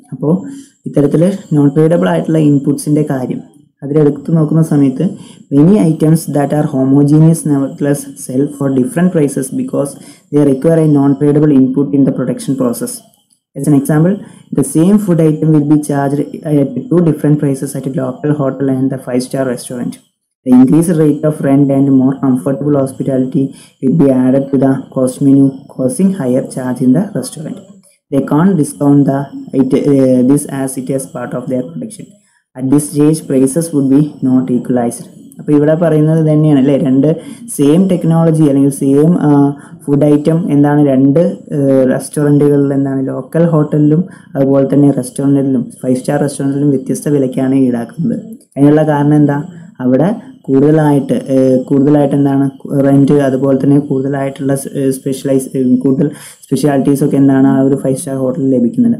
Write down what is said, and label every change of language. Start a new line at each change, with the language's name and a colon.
Malayalam: അപ്പോൾ ഇത്തരത്തിൽ non tradable ആയിട്ടുള്ള ഇൻപുട്സിൻ്റെ കാര്യം അതിലെടുത്തു നോക്കുന്ന സമയത്ത്
English: Many items that are homogeneous nevertheless sell for different prices because they require a non tradable input in the production process. As an example, the same food item will be charged at two different prices at local hotel and the five star restaurant. The increased rate of rent and more comfortable hospitality will be added to the cost menu, causing higher charge in the restaurant. They can't discount this as it is part of their production. At this stage, prices would be not equalized.
Malayalam: അപ്പോൾ ഇവിടെ പറയുന്നത് തന്നെയാണ് അല്ലേ, രണ്ട് same technology അല്ലെങ്കിൽ same food item എന്താണ് രണ്ട് റെസ്റ്റോറൻറ്റുകളിൽ എന്താണ് ലോക്കൽ ഹോട്ടലിലും അതുപോലെ തന്നെ റെസ്റ്റോറൻറ്റിലും ഫൈവ് സ്റ്റാർ റെസ്റ്റോറൻറ്റിലും വ്യത്യസ്ത വിലയ്ക്കാണ് ഈടാക്കുന്നത്. അതിനുള്ള കാരണം എന്താ, അവിടെ കൂടുതലായിട്ട് എന്താണ് റെൻറ്റ് അതുപോലെ തന്നെ കൂടുതലായിട്ടുള്ള കൂടുതൽ സ്പെഷ്യാലിറ്റീസൊക്കെ എന്താണ് ആ ഒരു ഫൈവ് സ്റ്റാർ ഹോട്ടലിൽ ലഭിക്കുന്നുണ്ട്.